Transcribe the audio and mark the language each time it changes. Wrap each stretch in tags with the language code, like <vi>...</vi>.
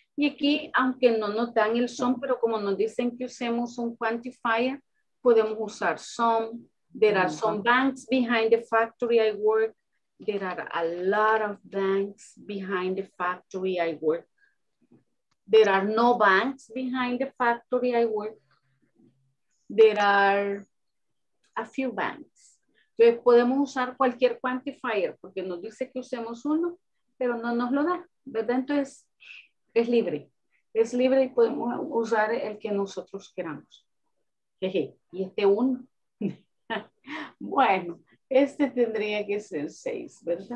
<es>Y aquí, aunque no nos dan el son, pero como nos dicen que usemos un quantifier, podemos usar some.</es> <en>There are some banks behind the factory I work. There are a lot of banks behind the factory I work. There are no banks behind the factory I work. There are a few banks.</en> <es>Entonces podemos usar cualquier quantifier porque nos dice que usemos uno, pero no nos lo da, ¿verdad? Entonces es libre. Es libre y podemos usar el que nosotros queramos. Jeje. Y este uno. Bueno, este tendría que ser seis, ¿verdad?</es>